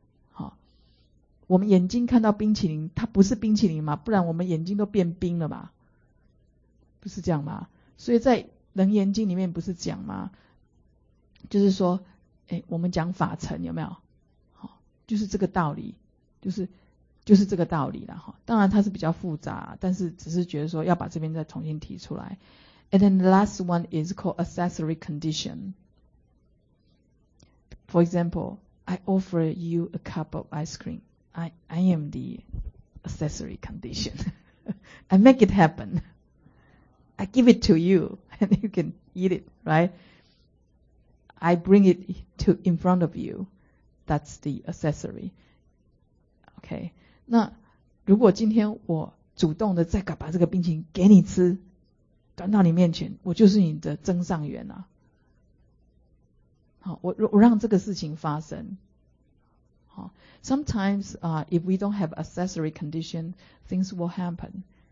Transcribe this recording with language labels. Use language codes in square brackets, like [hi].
[zh] 好，我们眼睛看到冰淇淋，它不是冰淇淋嘛？不然我们眼睛都变冰了吧？不是这样吗？所以在《楞严经》里面不是讲吗？就是说，哎，我们讲法尘有没有？好，就是这个道理，就是这个道理啦，当然它是比较复杂，但是只是觉得说要把这边再重新提出来。 [en] And then the last one is called accessory condition. For example, I offer you a cup of ice cream. I am the accessory condition. I make it happen. I give it to you and you can eat it, right? I bring it to in front of you. That's the accessory. Okay. [zh] 那如果今天我主动的再把这个冰淇淋给你吃，端到你面前，我就是你的增上缘啊。好，我让这个事情发生。好 [en] ，sometimes if we don't have accessory condition, things will happen.